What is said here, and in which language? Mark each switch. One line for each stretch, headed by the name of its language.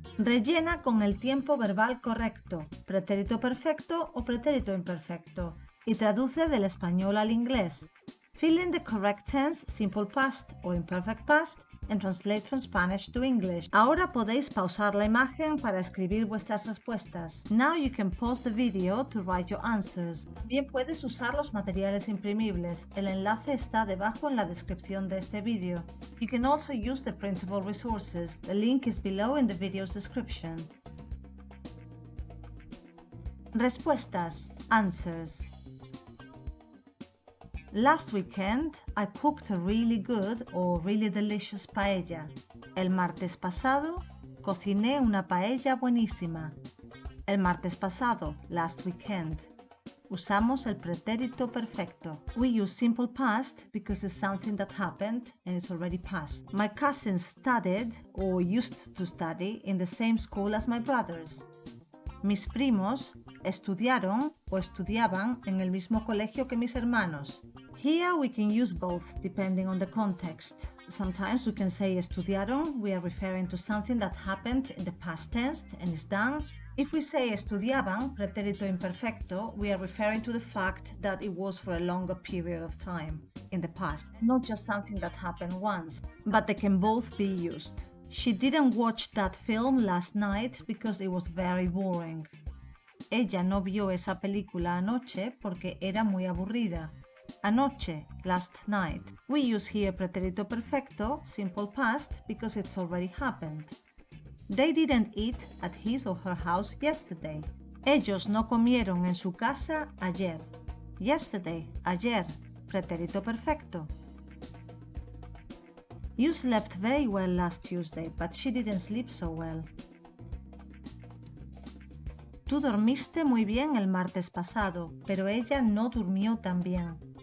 Spanish: Rellena con el tiempo verbal correcto, pretérito perfecto o pretérito imperfecto, y traduce del español al inglés.
English: Fill in the correct tense, simple past o imperfect past, and translate from Spanish to English.
Spanish: Ahora podéis pausar la imagen para escribir vuestras respuestas.
English: Now you can pause the video to write your answers.
Spanish: También puedes usar los materiales imprimibles. El enlace está debajo en la descripción de este video.
English: You can also use the printable resources. The link is below in the video's description.
Spanish: Respuestas. Answers.
English: Last weekend, I cooked a really good or really delicious paella.
Spanish: El martes pasado, cociné una paella buenísima. El martes pasado,
English: last weekend.
Spanish: Usamos el pretérito perfecto.
English: We use simple past because it's something that happened and it's already past. My cousins studied or used to study in the same school as my brothers.
Spanish: Mis primos estudiaron o estudiaban en el mismo colegio que mis hermanos.
English: Here we can use both depending on the context. Sometimes we can say estudiaron, we are referring to something that happened in the past tense and is done. If we say estudiaban, pretérito imperfecto, we are referring to the fact that it was for a longer period of time in the past, not just something that happened once, but they can both be used. She didn't watch that film last night because it was very boring.
Spanish: Ella no vio esa película anoche porque era muy aburrida.
English: Anoche, last night. We use here pretérito perfecto, simple past, because it's already happened. They didn't eat at his or her house yesterday.
Spanish: Ellos no comieron en su casa ayer. Yesterday, ayer, pretérito perfecto.
English: You slept very well last Tuesday, but she didn't sleep so well.
Spanish: Tú dormiste muy bien el martes pasado, pero ella no durmió tan bien.